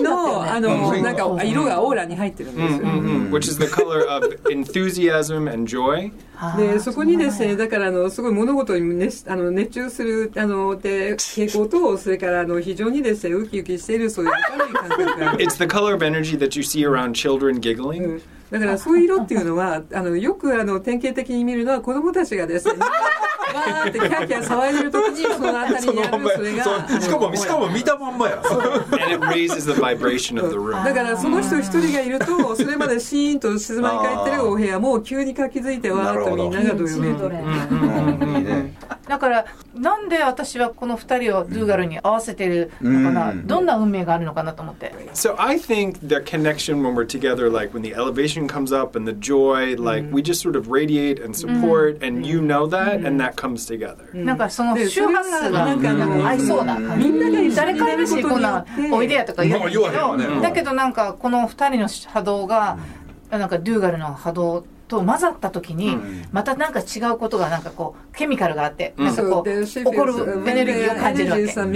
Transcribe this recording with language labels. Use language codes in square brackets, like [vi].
[ja] ミントグリーン。ミントグリーン。ミントグリーン。ミントグリーン。グリーン。ミントグリーン。ミントグリーン。ミントグリーン。でそこにですね、だからすごい物事に、ね、熱中するって傾向と、それから非常にですね、ウキウキしているそういう明るい感覚が。 [en] It's the color of energy that you see around children giggling.、 [ja] うん、だからそういう色っていうのは、よく典型的に見るのは子供たちがですね、わーってキャーキャー騒いでる時にそのあたりにあるそれが。しかも見たまんまや。 [en] And it raises the vibration of the room. [ja] だからその人一人がいると、それまでシーンと静まり返ってるお部屋も急にかき付いてわーっとみんながどよめく。だからなんで私はこの二人をドゥーガルに合わせてるのかな、どんな運命があるのかなと思って。 [en] So I think the connection when we're together, like when the elevation comes up and the joy, like we just sort of radiate and support, and you know that, and that comes together. [ja] なんかその周波数がなんか合いそうな。みんなで誰かいるし、こんなおいでやとか言うけど、だけどなんかこの二人の波動がなんかドゥーガルの波動と混ざった時に、またなんか違うことがなんかこうケミカルがあって、なんかこう起こるエネルギーを感じるわけ。